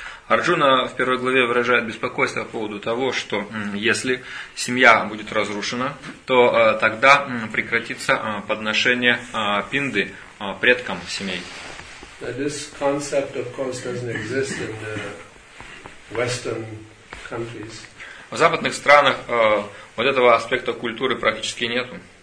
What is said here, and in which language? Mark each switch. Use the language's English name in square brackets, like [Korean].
[Russian] Арджуна в первой главе выражает беспокойство по поводу того, что если семья будет разрушена, то тогда прекратится подношение пинды предкам семей. [English] This concept, of course, doesn't exist in the Western countries. [Russian] В западных странах вот этого аспекта культуры практически нету.